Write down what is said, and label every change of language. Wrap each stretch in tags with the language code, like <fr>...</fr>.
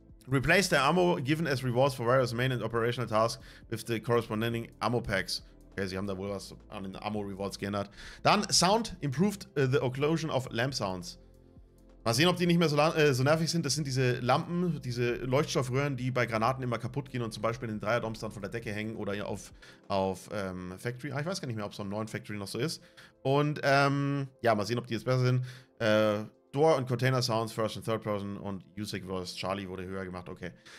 <en>Replace the ammo given as rewards for various main and operational tasks with the corresponding ammo packs.</en> <de>Okay, sie haben da wohl was an den Ammo-Rewards geändert.</de> <en>Dann Sound improved the occlusion of lamp sounds.</en> <de>Mal sehen, ob die nicht mehr so nervig sind. Das sind diese Lampen, diese Leuchtstoffröhren, die bei Granaten immer kaputt gehen und zum Beispiel in den Dreier-Doms dann von der Decke hängen oder auf Factory. Ah, ich weiß gar nicht mehr, ob es so ein neuen Factory noch so ist. Und ja, mal sehen, ob die jetzt besser sind. Door und Container Sounds, First and Third Person und Usic vs. Charlie wurde höher gemacht, okay.</de>